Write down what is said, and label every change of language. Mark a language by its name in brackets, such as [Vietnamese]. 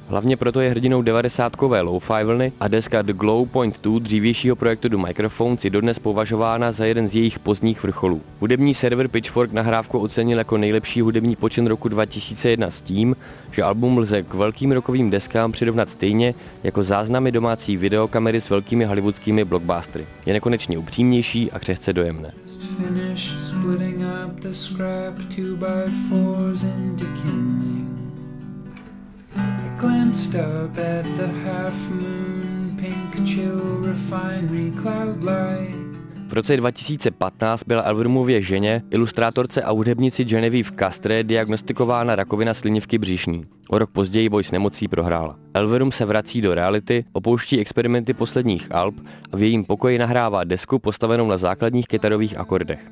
[Czech] Hlavně proto je hrdinou 90-kové lo-fi vlny a deska The Glow Point 2 dřívějšího projektu do Microphones je dodnes považována za jeden z jejich pozdních vrcholů. Hudební server Pitchfork nahrávku ocenil jako nejlepší hudební počin roku 2001 s tím, že album lze k velkým rockovým deskám přirovnat stejně jako záznamy domácí videokamery s velkými hollywoodskými blockbustery. Je nekonečně upřímnější a křehce dojemné. [English] Finish splitting up the scrap 2x4s into kindling. I glanced up at the half moon, pink chill refinery cloud light. [Czech] V roce 2015 byla Elverumově ženě, ilustrátorce a hudebnici Genevieve Castre diagnostikována rakovina slinivky břišní. O rok později boj s nemocí prohrála. Elverum se vrací do reality, opouští experimenty posledních alb a v jejím pokoji nahrává desku postavenou na základních kytarových akordech.